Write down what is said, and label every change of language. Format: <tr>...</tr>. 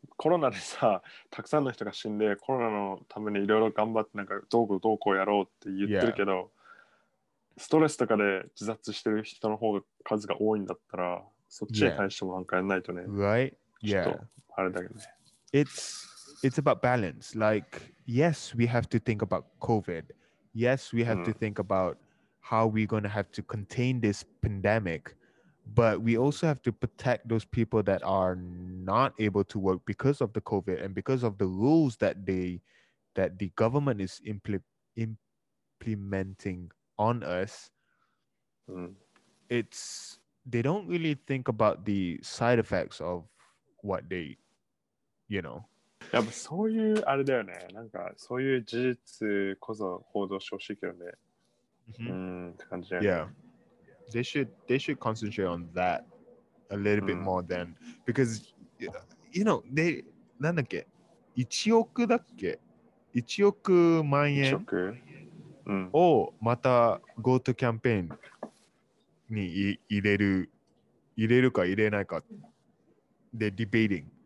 <ja>コロナでさ、たくさんの人が死んで、コロナのためにいろいろ頑張って、なんかどうこうどうこうやろうって言ってるけど、ストレスとかで自殺してる人の方が数が多いんだったら、そっちに対してもなんかやんないとね。</ja> <en>Right? Yeah.</en> <ja>あれだけどね。</ja> <en>It's about balance. Like, yes, we have to think about COVID. Yes, we have to think about how we're going to have to contain this pandemic. But we also have to protect those people that are not able to work because of the COVID and because of the rules that the government is implementing. On us, it's they don't really think about the side effects of what they, you know.</en> <ja>やっぱそういうあれだよね。なんかそういう事実こそ報道してほしいけどね。って感じだよね。</ja> <en>Yeah, they should concentrate on that a little bit more than because you know they なんだっけ1億だっけ1億万円。</en> <ja>うん、をまた GoTo キャンペーンに入れるか入れないかで</ja> <en>debating</en>